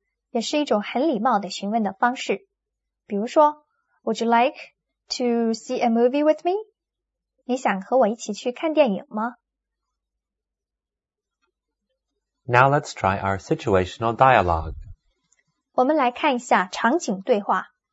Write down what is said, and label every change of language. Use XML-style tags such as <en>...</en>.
<zh>也是一种很礼貌的询问的方式。比如说</zh> <en>,Would you like to see a movie with me?</en> <zh>你想和我一起去看电影吗？</zh> <en>Now let's try our situational dialogue.</en> <zh>我们来看一下场景对话。</zh>